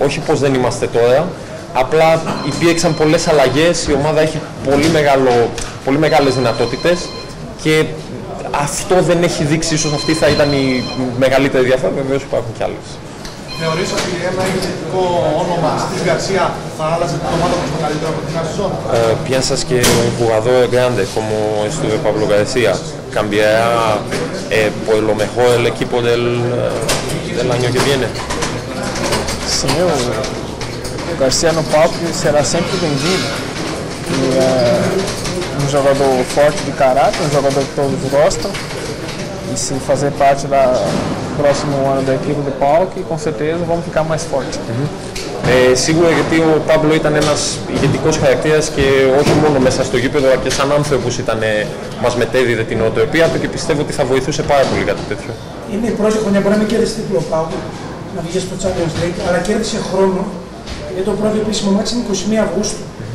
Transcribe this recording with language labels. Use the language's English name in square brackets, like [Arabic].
[Greek] Όχι πως δεν είμαστε τώρα, απλά υπήρξαν πολλές αλλαγές, η ομάδα έχει πολύ μεγάλες δυνατότητες και αυτό δεν έχει δείξει, ίσως αυτή θα ήταν η μεγαλύτερη διαφορά, βεβαίως υπάρχουν κι άλλες. Θεωρείς ότι ένα ηγετικό όνομα στην Γκαρσία θα άλλαζε την ομάδα προς το καλύτερο από την σεζόν? [Spanish] Piensas que un jugador grande como estuvo Pablo García cambiará por lo mejor el equipo del año que viene? Sí, García no Pablo será siempre bendito. [Portuguese] Um jogador forte de caráter, um jogador que todos gostam. E se fazer parte do próximo ano da equipe do Pauk, com certeza vamos ficar mais fortes. Seguro que o [Greek] Pablo ήταν ένας ηγετικός χαρακτήρας και όχι μόνο μέσα στο γήπεδο, αλλά και σαν άνθρωπος μας μετέδιδε την οτροπία του και πιστεύω ότι θα βοηθούσε πάρα πολύ κάτι τέτοιο. Είναι η πρώτη χρονιά, μπορεί να μην κέρδισε τίτλο ο Πάουκ, να βγει στο Champions League, αλλά κέρδισε χρόνο, γιατί το πρώτο επίσημο μάτς είναι 21 Αυγούστου.